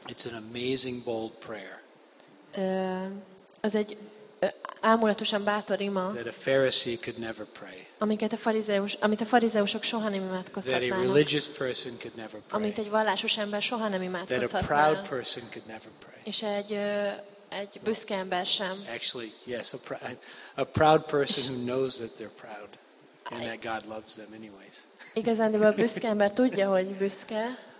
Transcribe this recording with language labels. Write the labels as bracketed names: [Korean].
[English] It's an amazing bold prayer. [Hungarian] Az egy ámulatosan bátor ima, [English] that a Pharisee could never pray. [Hungarian] Amit a farizeusok soha nem imádkozhatnának. [English] That a religious person could never pray. [Hungarian] Amit egy vallásos ember soha nem imádkozhatnának. [English] That a proud person could never pray. [Hungarian] És egy büszke ember sem. [English] Actually, yes, a proud person who knows that they're proud and that God loves them anyways. [Hungarian] Igazándiból a büszke ember tudja, hogy büszke.